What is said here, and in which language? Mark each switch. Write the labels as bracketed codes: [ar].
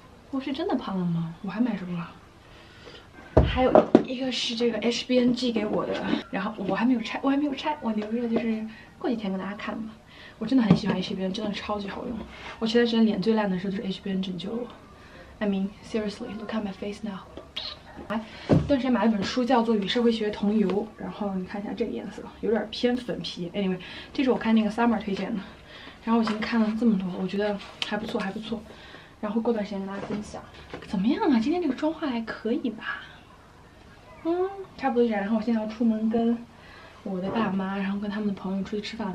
[zh] 我是真的胖了吗？我还买什么了？还有一个是这个 HBN 寄给我的，然后我还没有拆，我还没有拆，我留着就是过几天跟大家看吧。我真的很喜欢 HBN， 真的超级好用。我前段时间脸最烂的时候就是 HBN 拯救我。 [en] I mean seriously, look at my face now。 [zh] 来，段时间买了本书叫做《与社会学同游》，然后你看一下这个颜色有点偏粉皮。 anyway， 这是我看那个 Summer 推荐的，然后我已经看了这么多，我觉得还不错还不错，然后过段时间跟大家分享怎么样啊。今天这个妆化还可以吧，差不多这样。然后我现在要出门跟我的爸妈，然后跟他们的朋友出去吃饭。